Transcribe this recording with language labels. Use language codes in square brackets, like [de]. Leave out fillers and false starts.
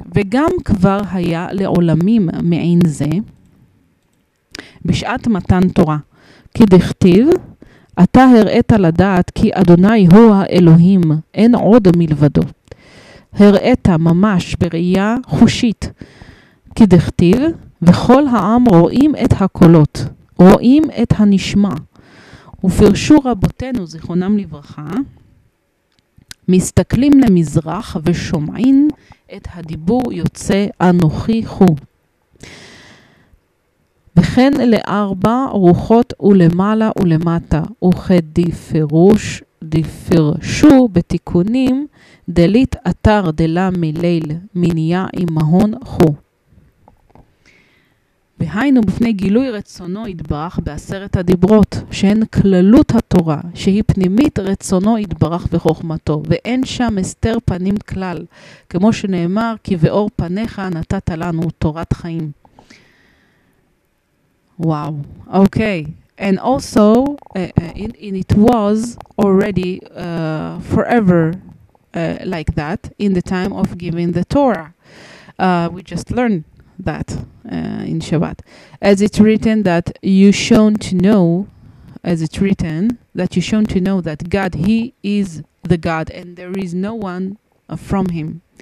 [he] Vegam Kvar Haya Leolamim Me'ein Ze Bishat Matan Torah Ki Dechtiv Ata Hereta Ladat Ki Adonai Hu HaElohim En Od Milvado. הראית ממש בראייה חושית כדכתיב, וכל העם רואים את הקולות, רואים את הנשמע. ופרשו רבותינו, זיכרונם לברכה, מסתכלים למזרח ושומעים את הדיבור יוצא אנוכי חו. וכן לארבע רוחות ולמעלה ולמטה, וכדפירוש דפרשו בתיקונים, דלית אתר דלה מליל, מניה אימהון חו. והיינו בפני גילוי רצונו יתברך בעשרת הדיברות, שהן כללות התורה, שהיא פנימית רצונו יתברך וחוכמתו, ואין שם הסתר פנים כלל, כמו שנאמר, כי באור פניך נתת לנו תורת חיים. [en] Wow. Okay. And also, it was already forever like that in the time of giving the Torah. We just learned that in Shabbat. As it's written that you shown to know, as it's written that you shown to know that God, He is the God, and there is no one from Him.